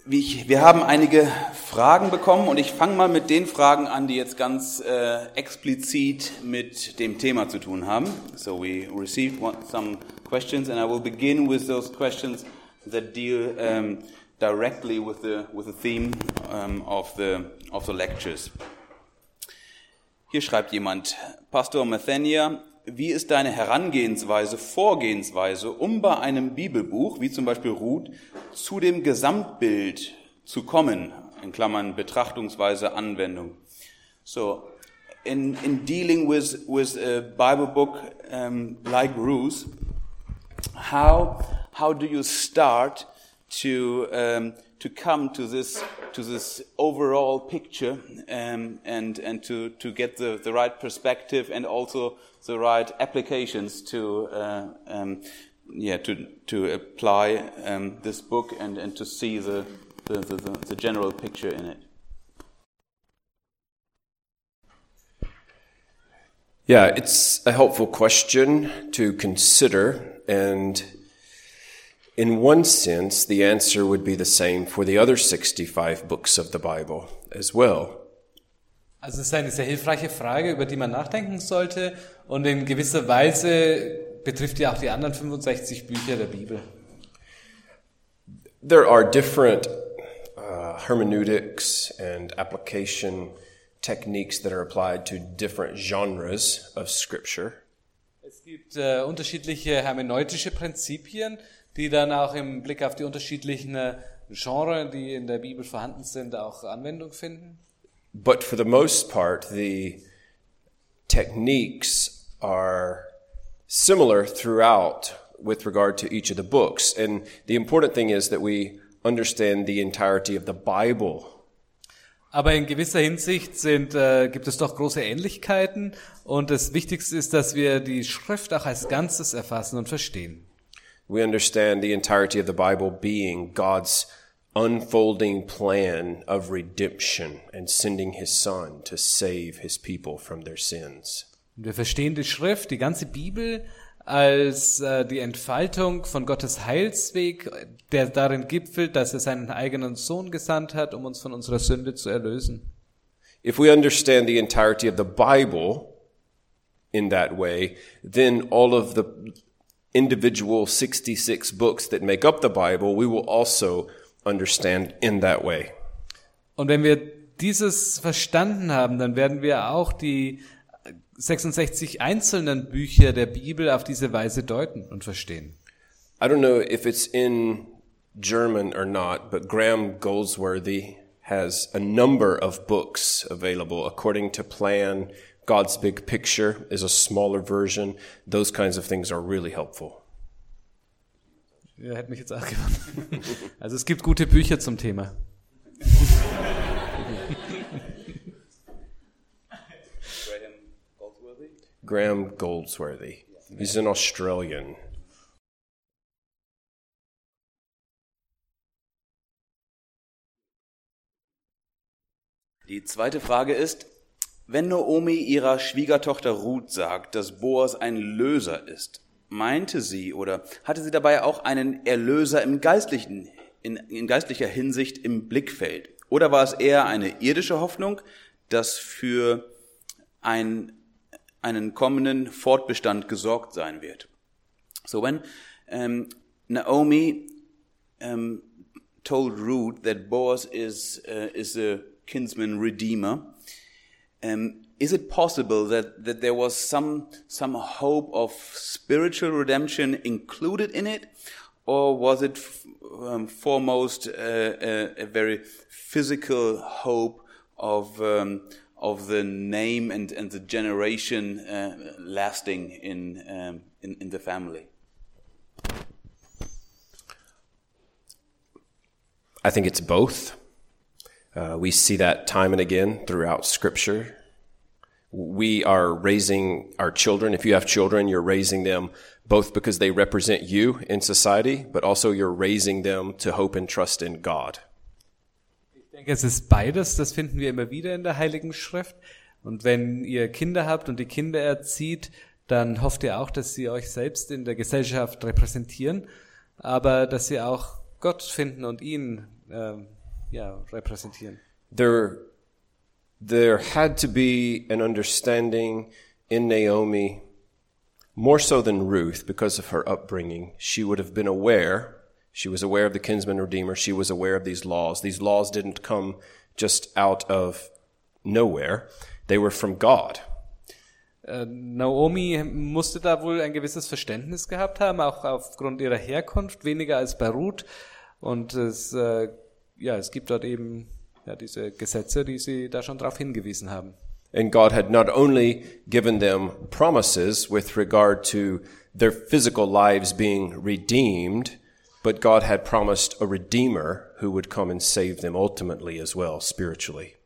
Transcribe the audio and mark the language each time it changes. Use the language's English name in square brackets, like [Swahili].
[German] Wir haben einige Fragen bekommen und ich fange mal mit den Fragen an, die jetzt ganz explizit mit dem Thema zu tun haben. [English] So we received some questions and I will begin with those questions that deal directly with the theme of the lectures. [German] Hier schreibt jemand, Pastor Mathenia, wie ist deine Vorgehensweise, um bei einem Bibelbuch, wie zum Beispiel Ruth, zu dem Gesamtbild zu kommen, in Klammern Betrachtungsweise Anwendung? [English] So, in dealing with a Bible book like Ruth, how do you start to come to this overall picture and to get the right perspective and also the right applications to apply this book and to see the general picture in it. Yeah, it's a helpful question to consider, and in one sense, the answer would be the same for the other 65 books of the Bible as well. [German] Also es ist eine sehr hilfreiche Frage, über die man nachdenken sollte, und in gewisser Weise betrifft ja auch die anderen 65 Bücher der Bibel. [English] There are different hermeneutics and application techniques that are applied to different genres of scripture. [German] Es gibt unterschiedliche hermeneutische Prinzipien, die dann auch im Blick auf die unterschiedlichen Genres, die in der Bibel vorhanden sind, auch Anwendung finden. [English] But for the most part, the techniques are similar throughout with regard to each of the books. And the important thing is that we understand the entirety of the Bible. [German] Aber in gewisser Hinsicht gibt es doch große Ähnlichkeiten. Und das Wichtigste ist, dass wir die Schrift auch als Ganzes erfassen und verstehen. [English] We understand the entirety of the Bible being God's unfolding plan of redemption and sending his son to save his people from their sins. [German] Wir verstehen die Schrift, die ganze Bibel, als die Entfaltung von Gottes Heilsweg, der darin gipfelt, dass er seinen eigenen Sohn gesandt hat, um uns von unserer Sünde zu erlösen. [English] If we understand the entirety of the Bible in that way, then all of the individual 66 books that make up the Bible, we will also understand in that way. [German] Und wenn wir dieses verstanden haben, dann werden wir auch die 66 einzelnen Bücher der Bibel auf diese Weise deuten und verstehen. [English] I don't know if it's in German or not, but Graham Goldsworthy has a number of books available according to plan. God's Big Picture is a smaller version. Those kinds of things are really helpful. [German] Ja, hätte mich jetzt auch gewonnen. Also es gibt gute Bücher zum Thema. [English] Graham Goldsworthy. He's an Australian. [German] Die zweite Frage ist, wenn Naomi ihrer Schwiegertochter Ruth sagt, dass Boas ein Löser ist, meinte sie oder hatte sie dabei auch einen Erlöser im geistlichen, in geistlicher Hinsicht im Blickfeld? Oder war es eher eine irdische Hoffnung, dass für einen kommenden Fortbestand gesorgt sein wird? [English] So when Naomi told Ruth that Boas is a kinsman redeemer, is it possible that there was some hope of spiritual redemption included in it, or was it foremost a very physical hope of the name and the generation lasting in the family? I think it's both. We see that time and again throughout Scripture. We are raising our children. If you have children, you're raising them both because they represent you in society, but also you're raising them to hope and trust in God. [German] Ich denke, es ist beides. Das finden wir immer wieder in der Heiligen Schrift. Und wenn ihr Kinder habt und die Kinder erzieht, dann hofft ihr auch, dass sie euch selbst in der Gesellschaft repräsentieren, aber dass sie auch Gott finden und ihn repräsentieren. [English] There had to be an understanding in Naomi, more so than Ruth, because of her upbringing. She would have been aware. She was aware of the kinsman redeemer. She was aware of these laws. These laws didn't come just out of nowhere. They were from God. [German] Naomi musste da wohl ein gewisses Verständnis gehabt haben, auch aufgrund ihrer Herkunft, weniger als bei Ruth. Und es gibt dort eben diese Gesetze, die sie da schon drauf hingewiesen haben. [English] And God had not only given them promises with regard to their physical lives being redeemed, but God had promised a redeemer who would come and save them ultimately as well, spiritually.